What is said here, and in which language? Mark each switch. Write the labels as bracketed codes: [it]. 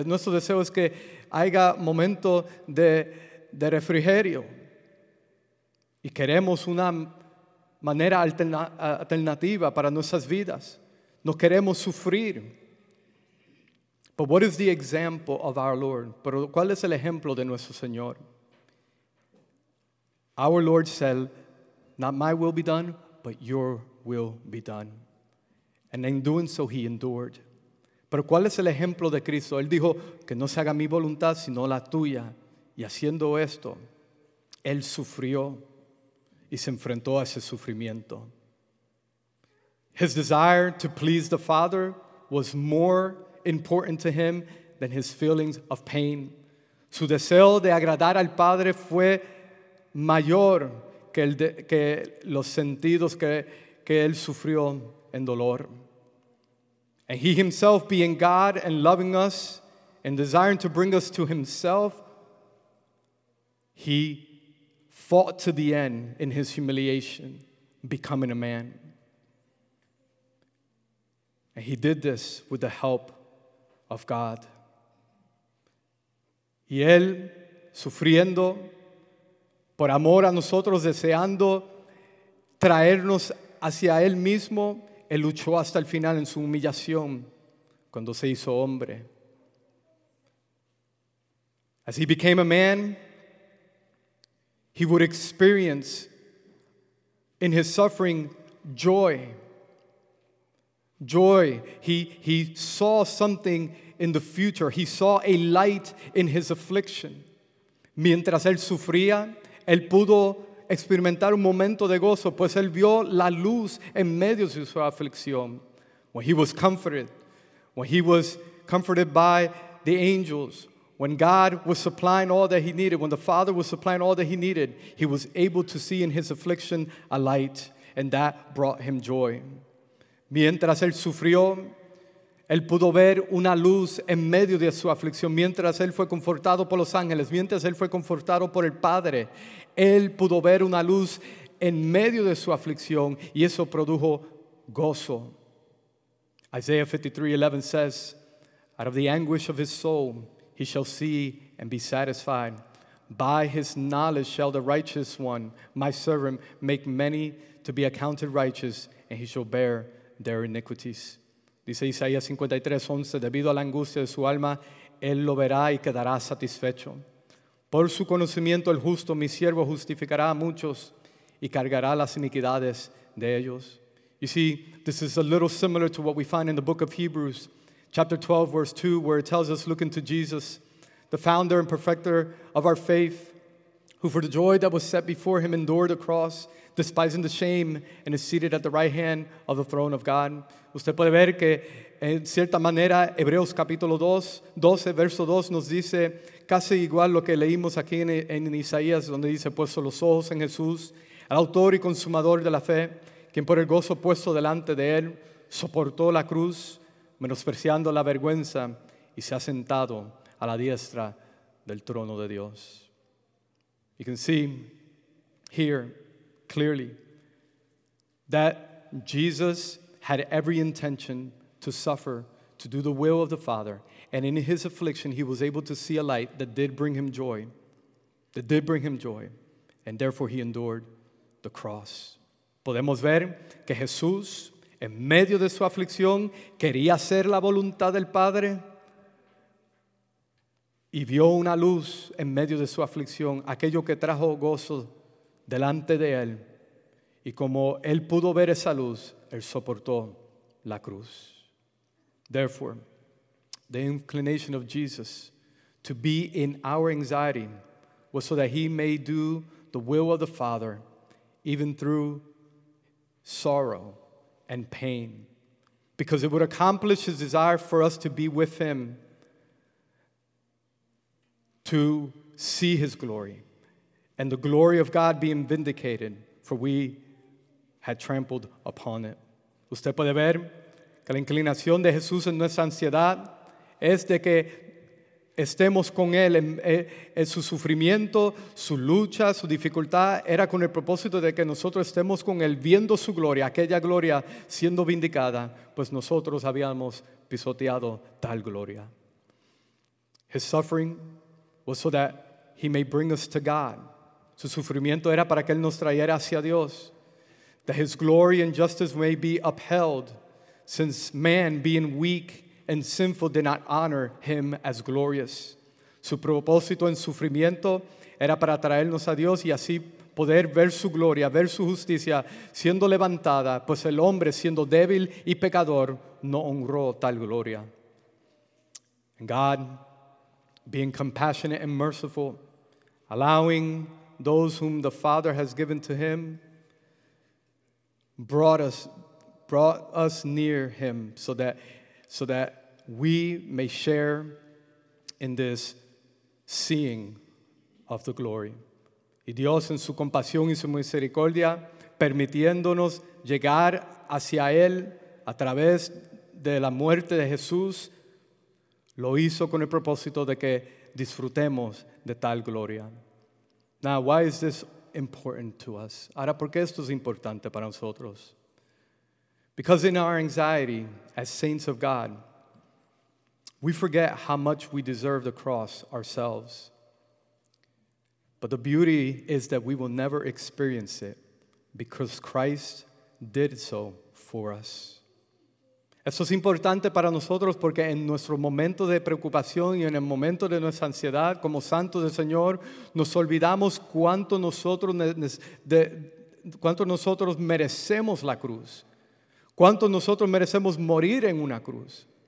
[es] Nuestro deseo es que haya momento de refrigerio. Y queremos una manera alternativa para nuestras vidas. No queremos sufrir. [en] But what is the example of our Lord? [es] Pero ¿cuál es el ejemplo de nuestro Señor? [en] Our Lord said, not my will be done, but your will be done. And in doing so, he endured. [es] Pero ¿cuál es el ejemplo de Cristo? Él dijo, que no se haga mi voluntad, sino la tuya. Y haciendo esto, él sufrió y se enfrentó a ese sufrimiento. [en] His desire to please the Father was more important to him than his feelings of pain. [es] Su deseo de agradar al Padre fue mayor que los sentidos que él sufrió en dolor. [en] And he himself, being God and loving us and desiring to bring us to himself, he fought to the end in his humiliation, becoming a man. And he did this with the help of God. [es] Y él, sufriendo por amor a nosotros, deseando traernos hacia él mismo, él luchó hasta el final en su humillación cuando se hizo hombre. [en] As he became a man, he would experience in his suffering joy. Joy. He saw something in the future. He saw a light in his affliction. [es] Mientras él sufría, él pudo experimentar un momento de gozo, pues él vio la luz en medio de su aflicción. [en] When he was comforted by the angels, when God was supplying all that he needed, when the Father was supplying all that he needed, he was able to see in his affliction a light. and that brought him joy. [es] Mientras él sufrió, él pudo ver una luz en medio de su aflicción. Mientras él fue confortado por los ángeles, mientras él fue confortado por el Padre, él pudo ver una luz en medio de su aflicción, y eso produjo gozo. [en] Isaiah 53:11 says, "Out of the anguish of his soul, he shall see and be satisfied. By his knowledge shall the righteous one, my servant, make many to be accounted righteous, and he shall bear their iniquities." [es] Dice Isaías 53:11, debido a la angustia de su alma, él lo verá y quedará satisfecho. Por su conocimiento, el justo, mi siervo, justificará a muchos y cargará las iniquidades de ellos. [en] You see, this is a little similar to what we find in the book of Hebrews, chapter 12, verse 2, where it tells us, looking to Jesus, the founder and perfecter of our faith, who for the joy that was set before him endured the cross, despising the shame, and is seated at the right hand of the throne of God. [es] Usted puede ver que, en cierta manera, Hebreos capítulo 12, verso 2, nos dice casi igual lo que leímos aquí en Isaías, donde dice, puesto los ojos en Jesús, el autor y consumador de la fe, quien por el gozo puesto delante de él, soportó la cruz, menospreciando la vergüenza, y se ha sentado a la diestra del trono de Dios. [en] You can see here clearly that Jesus had every intention to suffer, to do the will of the Father, and in his affliction he was able to see a light that did bring him joy, that did bring him joy, and therefore he endured the cross. [es] Podemos ver que Jesús, en medio de su aflicción, quería hacer la voluntad del Padre, y vio una luz en medio de su aflicción, aquello que trajo gozo delante de él. Y como él pudo ver esa luz, él soportó la cruz. [en] Therefore, the inclination of Jesus to be in our anxiety was so that he may do the will of the Father, even through sorrow and pain, because it would accomplish his desire for us to be with him, to see his glory, and the glory of God being vindicated, for we had trampled upon it. [es] Usted puede ver que la inclinación de Jesús en nuestra ansiedad es de que estemos con él. En su sufrimiento, su lucha, su dificultad era con el propósito de que nosotros estemos con él, viendo su gloria, aquella gloria siendo vindicada, pues nosotros habíamos pisoteado tal gloria. [en] His suffering was so that he may bring us to God. [es] Su sufrimiento era para que él nos trajera hacia Dios. [en] That his glory and justice may be upheld, since man, being weak and sinful, did not honor him as glorious. [es] Su propósito en sufrimiento era para traernos a Dios y así poder ver su gloria, ver su justicia siendo levantada, pues el hombre, siendo débil y pecador, no honró tal gloria. [en] And God, being compassionate and merciful, allowing those whom the Father has given to him, brought us near him so that we may share in this seeing of the glory. [es] Y Dios, en su compasión y su misericordia, permitiéndonos llegar hacia él a través de la muerte de Jesús, lo hizo con el propósito de que disfrutemos de tal gloria. [en] Now, why is this important to us? [es] Ahora, ¿por qué esto es importante para nosotros? [en] Because in our anxiety, as saints of God, we forget how much we deserve the cross ourselves. But the beauty is that we will never experience it because Christ did so for us. [es] Eso es importante para nosotros porque en nuestro momento de preocupación y en el momento de nuestra ansiedad, como santos del Señor, nos olvidamos cuánto nosotros merecemos la cruz. Cuánto nosotros merecemos morir en una cruz.